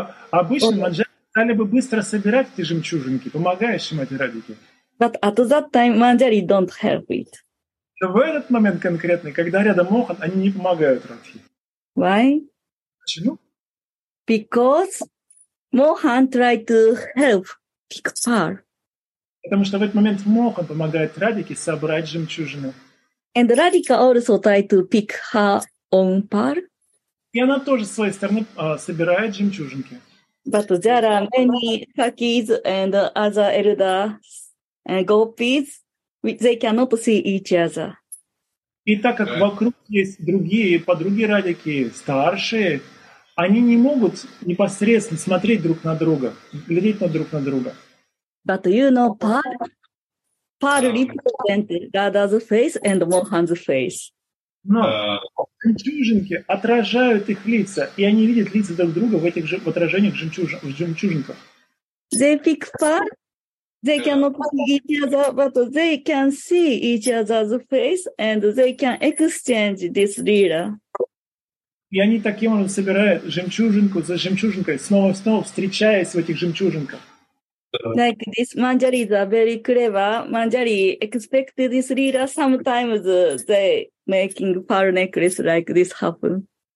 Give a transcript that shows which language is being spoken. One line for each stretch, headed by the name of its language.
Russian: Обычно Манджари стали бы быстро собирать эти жемчужинки, помогая Шимати Радике.
English: But at that time, Manjari don't help it.
Russian: В этот момент конкретный, когда рядом Мохан, они не помогают Радхи.
English: Why?
Russian: Почему?
English: Because Mohan tried to help pick pearl.
Russian: Потому что в этот момент Мохан помогает Радике собрать жемчужины.
English: And Radhika also tried to pick her own pearl.
Russian: И она тоже с своей стороны собирает жемчужинки.
English: But there are many sakis and other elders and gopis, which they cannot see each other.
Russian: И так как вокруг есть другие подруги Радики, старшие, они не могут непосредственно смотреть друг на друга, глядеть на друг на друга.
English: But you know, Par represented Radha's face and Mohan's face.
Russian: Но жемчужинки отражают их лица, и они видят лица друг друга в этих же отражениях в жемчужинках.
English: They pick part, they cannot see each other, but they can see each other's face, and they can exchange this lira.
Russian: И они таким образом собирают жемчужинку за жемчужинкой, снова и снова встречаясь в этих жемчужинках.
English: Like this, Manjari is very clever. Manjari expected this lila. Sometimes they making pearl necklace like this happen.